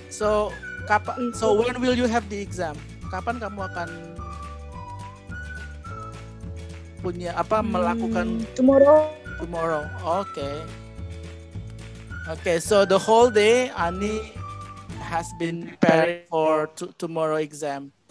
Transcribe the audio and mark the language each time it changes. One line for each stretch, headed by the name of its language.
English: So,
Indonesian: kapan
English: so when will you have the exam?
Indonesian: Kapan kamu akan punya apa melakukan
English: tomorrow. Okay. Okay, so the whole day Ani has been preparing for tomorrow exam.